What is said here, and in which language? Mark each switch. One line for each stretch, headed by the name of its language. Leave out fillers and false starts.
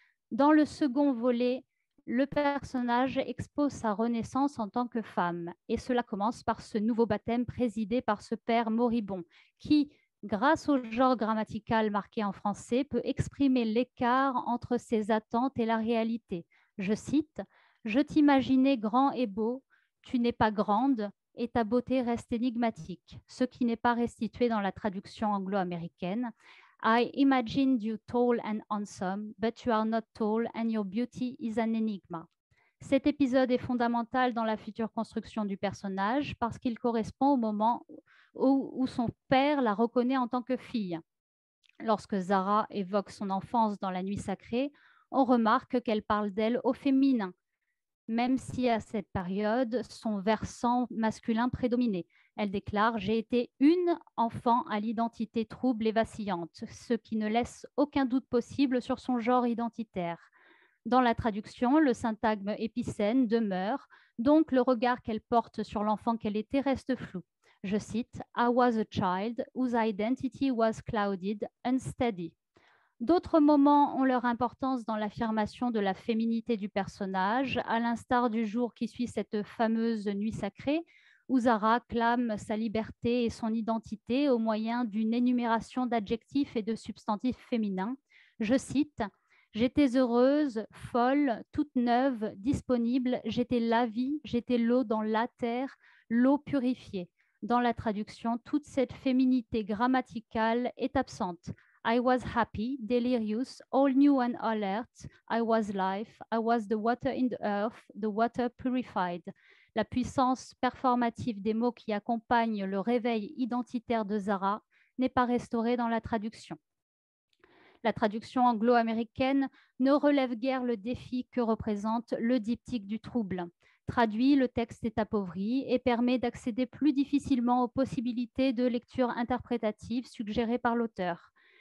French: Dans le second volet, le personnage expose sa renaissance en tant que femme, et cela commence par ce nouveau baptême présidé par ce père moribond, qui, grâce au genre grammatical marqué en français, peut exprimer l'écart entre ses attentes et la réalité. Je cite: Je t'imaginais grand et beau, tu n'es pas grande. Et ta beauté reste énigmatique, ce qui n'est pas restitué dans la traduction anglo-américaine.
English: I imagined you tall and handsome, but you are not tall and your beauty is an enigma.
French: Cet épisode est fondamental dans la future construction du personnage parce qu'il correspond au moment où son père la reconnaît en tant que fille. Lorsque Zara évoque son enfance dans La Nuit Sacrée, on remarque qu'elle parle d'elle au féminin, même si à cette période, son versant masculin prédominait. Elle déclare: J'ai été une enfant à l'identité trouble et vacillante, ce qui ne laisse aucun doute possible sur son genre identitaire. Dans la traduction, le syntagme épicène demeure, donc le regard qu'elle porte sur l'enfant qu'elle était reste flou. Je cite:
English: I was a child whose identity was clouded, unsteady.
French: D'autres moments ont leur importance dans l'affirmation de la féminité du personnage, à l'instar du jour qui suit cette fameuse nuit sacrée, où Zara clame sa liberté et son identité au moyen d'une énumération d'adjectifs et de substantifs féminins. Je cite: J'étais heureuse, folle, toute neuve, disponible, j'étais la vie, j'étais l'eau dans la terre, l'eau purifiée. Dans la traduction, toute cette féminité grammaticale est absente.
English: I was happy, delirious, all new and alert. I was life. I was the water in the earth, the water purified.
French: La puissance performative des mots qui accompagnent le réveil identitaire de Zara n'est pas restaurée dans la traduction. La traduction anglo-américaine ne relève guère le défi que représente le diptyque du trouble. traduit le texte est appauvri et permet d'accéder plus difficilement aux possibilités de lecture interprétative suggérées par l'auteur.